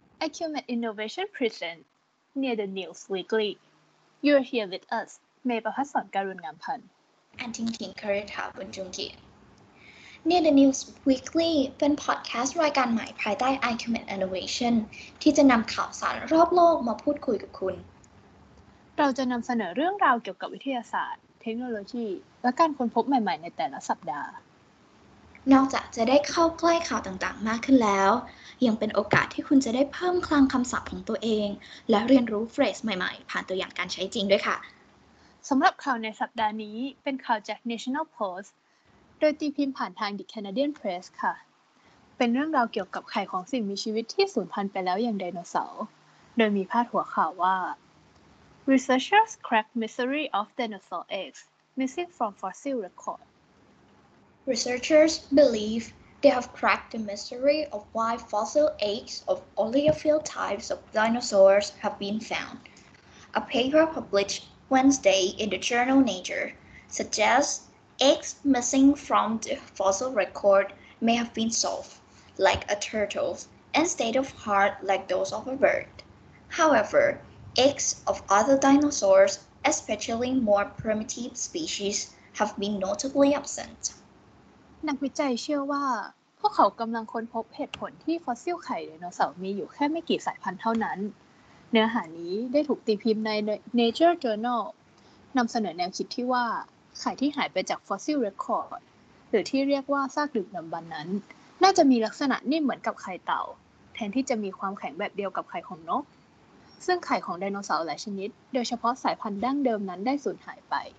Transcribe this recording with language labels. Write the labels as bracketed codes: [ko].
[en] Acumen Innovation Present Near the News Weekly. You are here with us, May Bahasan Karun Ngampan. And Ting Ting Karita Bunjungi. [th] Near the News Weekly เป็นพอดแคสต์รายการใหม่ภายใต้ Acumen Innovation ที่จะนำข่าวสารรอบโลกมาพูดคุยกับคุณ เราจะนำเสนอเรื่องราวเกี่ยวกับวิทยาศาสตร์เทคโนโลยีและการค้นพบใหม่ๆในแต่ละสัปดาห์ นอกจากจะได้เข้าใกล้ข่าวต่างๆมากขึ้นแล้วยังเป็นโอกาสที่คุณจะได้เพิ่มคลังคำศัพท์ของตัวเองและเรียนรู้เฟรสใหม่ๆผ่านตัวอย่างการใช้จริงด้วยค่ะ สำหรับข่าวในสัปดาห์นี้เป็นข่าวจาก National Post โดยตีพิมพ์ผ่านทาง The Canadian Press ค่ะเป็นเรื่องราวเกี่ยวกับไข่ของสิ่งมีชีวิตที่สูญพันธุ์ไปแล้วอย่างไดโนเสาร์โดยมีพาดหัวข่าวว่า [en] Researchers crack mystery of dinosaur eggs missing from fossil record Researchers believe they have cracked the mystery of why fossil eggs of oleophile types of dinosaurs have been found. A paper published Wednesday in the journal Nature suggests eggs missing from the fossil record may have been soft, like a turtle's, and state of heart like those of a bird. However, eggs of other dinosaurs, especially more primitive species, have been notably absent. [th] นักวิจัยเชื่อว่าพวกเขากำลังค้นพบเหตุผลที่ฟอสซิลไข่ไดโนเสาร์มีอยู่แค่ไม่กี่สายพันธุ์เท่านั้นเนื้อหานี้ได้ถูกตีพิมพ์ใน Nature Journal นำเสนอแนวคิดที่ว่าไข่ที่หายไปจากฟอสซิลเรคคอร์ดหรือที่เรียกว่าซากดึกดำบรรพ์นั้นน่าจะมีลักษณะนิ่มเหมือนกับไข่เต่าแทนที่จะมีความแข็งแบบเดียวกับไข่ของนกซึ่งไข่ของไดโนเสาร์หลายชนิดโดยเฉพาะสายพันธุ์ดั้งเดิมนั้นได้สูญหายไป